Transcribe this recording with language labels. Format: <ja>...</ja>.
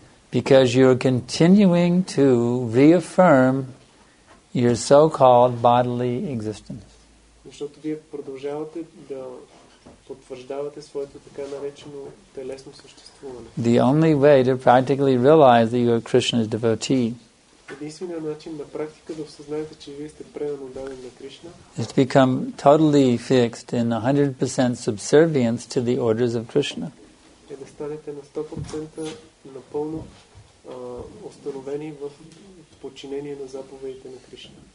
<en>Because you are continuing to reaffirm your so-called bodily existence.</en> <bg>Защото вие продължавате да потвърждавате своето така наречено телесно съществуване.</bg> <en>The only way to practically realize that you are Krishna's devotee.</en> <bg>Единственият начин на практика да осъзнаете, че вие сте предан отдаден на Кришна.</bg> <en>Is to become totally fixed in 100% subservience to the orders of Krishna.</en> <bg>Е да станете на 100% напълно установени в подчинение на заповедите на Кришна.</bg>